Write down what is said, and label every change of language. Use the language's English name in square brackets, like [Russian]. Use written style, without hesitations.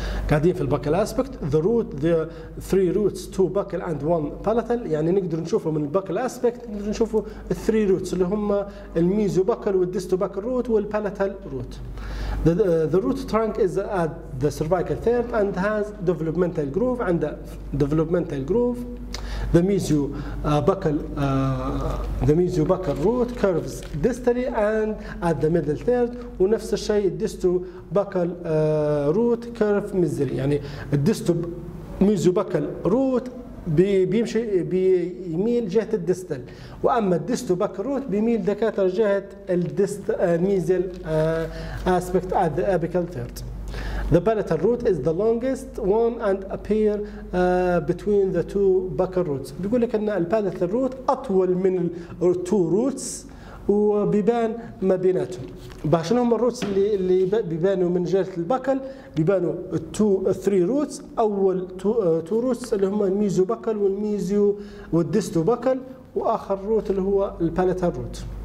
[Arabic] قاعدين في البكل [English] aspect the root the three roots two [Arabic] بكل and one palatal، يعني نقدر نشوفه من البكل aspect نقدر نشوفه الثري روتس اللي هم الميزو بكل والديستو بكل روت والبالتال روت. [English] The root trunk is at the cervical third and has developmental groove عند developmental groove. The mesio buccal the mesio buccal root curves distally and at the middle third. [Arabic] ونفس الشيء الديستو buccal root curve مزري، يعني الديستو mesio buccal root بيمشي بيميل جهة الدستل، وأما الدستو بكروت بيميل دكاترة جهة الدست ميزل aspect at the apical third. [English] The palatal root is the longest one and appear between the two buccal roots. [Arabic] بيقول لك أن البالتال روت أطول من التو روتس وبيبان ما بيناتهم. بعشان هم الروتس اللي بيبانوا من جهة البكل بيبانوا التو الثري روتس، أول تو روتس اللي هم الميزو بكل والميزو والديستو بكل، وآخر روت اللي هو البالتال روت.